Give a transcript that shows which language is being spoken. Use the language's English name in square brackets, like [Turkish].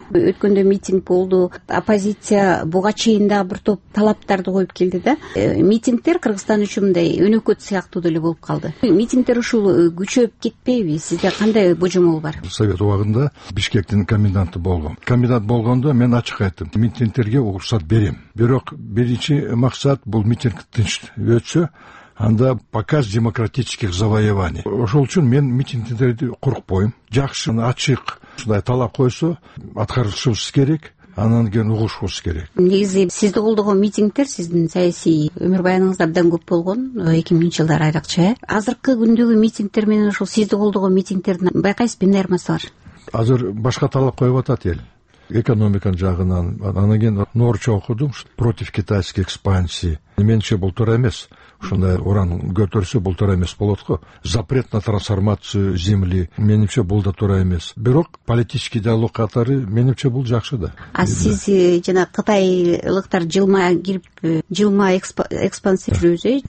[Kyrgyz] Өткөндө митинг болду, оппозиция буга чейин да бир топ талаптарды коюп келди да. Митингтер Кыргызстан үчүн мындай өнөкөт сыяктуу деле болуп калды. Митингтер ушул күчөп кетпейби? Сизде кандай божомол бар? Совет убагында Бишкектин коменданты болгом. Комендант болгондо мен ачык айттым: митингтерге уруксат берем. Бирок биринчи максат бул митинг тынч өтсө, анда [Russian] показ демократических завоеваний. [Kyrgyz] Ошол үчүн мен митингтерди коркпойм. Жакшы, ачык ушундай талап койсо, аткарылышыбыз керек, анан кийин угушубуз керек. Негизи сизди колдогон митингтер сиздин саясий өмүрбаяныңызда абдан көп болгон, 2000-жылдар айрыкча. Азыркы күндөгү митингтер менен ошол сизди колдогон митингтердин байкайсызбы эмне айырмасы бар? Азыр башка талап коюп атат эл. Экономиканын жагынан, анан кийин Норча окудум, [Russian] против китайской экспансии. [Kyrgyz] Менчи бул туура эмес. Ушундай уран көтөрсө бул туура эмес болот го. [Russian] Запрет на трансформацию земли. [Kyrgyz] Менимче бул да туура эмес. Бирок [Russian] политический диалог [Kyrgyz] катары менимче бул жакшы да. А сиз жана кытайлыктар жылма кирип, жылма экспансия жүрөбүз, э?